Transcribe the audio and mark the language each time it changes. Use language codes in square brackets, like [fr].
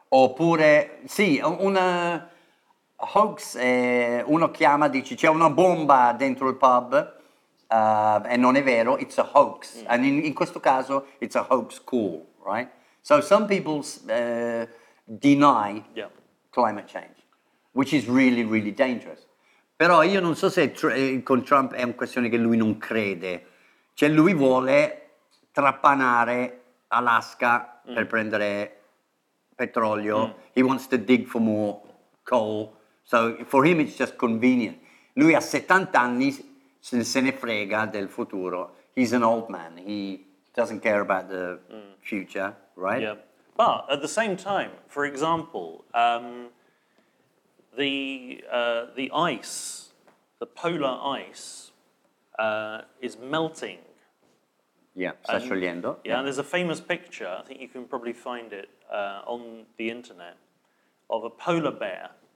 [it] Oppure, sì, una... A hoax, uno chiama, dice, c'è una bomba dentro il pub, e non è vero, [en] it's a hoax. [it] Mm. [en] And [it] in questo caso, [en] it's a hoax call, right? So some people deny climate change, which is really, really dangerous. [it] Però io non so se con Trump è una questione che lui non crede. Cioè lui vuole trapanare Alaska per prendere petrolio. Mm. [en] He wants to dig for more coal. So for him it's just convenient. [it] Lui ha 70 anni, se ne frega del futuro. [en] He's an old man. He doesn't care about the future, right? Yeah. But at the same time, for example, the ice, the polar ice, is melting. [it] Yeah, sta sciogliendo. [en] Yeah, and there's a famous picture, I think you can probably find it on the internet, of a polar bear.